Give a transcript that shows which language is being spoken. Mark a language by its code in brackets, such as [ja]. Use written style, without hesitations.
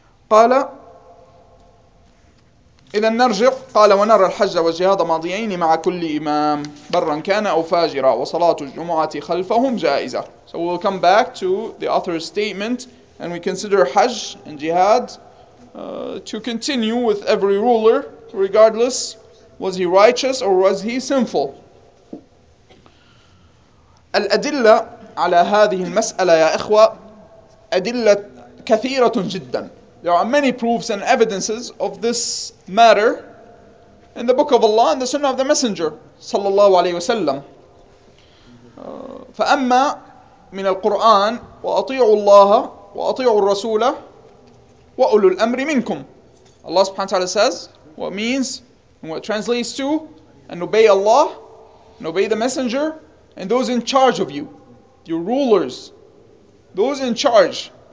[ar] قال إذا نرجع, قال ونرى الحج والجهاد ماضيين مع كل إمام برا كان أو فاجرا وصلاة الجمعة خلفهم جائزة. [en] So we'll come back to the author's statement, and we consider Hajj and Jihad to continue with every ruler, regardless was he righteous or was he sinful. [ar] الأدلة على هذه المسألة يا إخوة أدلة كثيرة جدا. [en] There are many proofs and evidences of this matter in the Book of Allah and the Sunnah of the Messenger صلى الله عليه وسلم. [ar] فأما من القرآن وأطيعوا الله وأطيعوا الرسول وأولو الأمر منكم. [en] Allah سبحانه وتعالى says what means and what translates to, and obey Allah and obey the Messenger and those in charge of you, your rulers, those in charge.